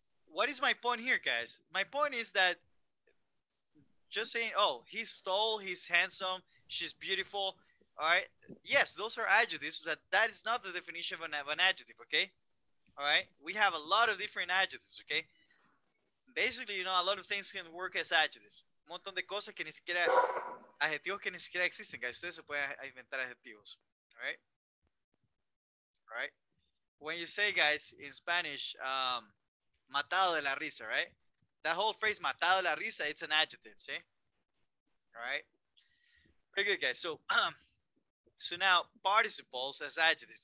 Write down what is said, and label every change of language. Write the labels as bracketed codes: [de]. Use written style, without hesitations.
[en] What is my point here, guys? My point is that just saying, oh, he's tall, he's handsome, she's beautiful, all right? Yes, those are adjectives. That is not the definition of an adjective, okay? All right? We have a lot of different adjectives, okay? Basically, you know, a lot of things can work as adjectives. [es] Un montón de cosas que ni siquiera, adjetivos que ni siquiera existen, [en] guys. [es] Ustedes se pueden inventar adjetivos, [en] all right? All right? When you say, guys, in Spanish, [es] matado de la risa, [en] right? That whole phrase, [es] matado la risa, [en] it's an adjective, see? All right? Very good, guys. So so now, participles as adjectives.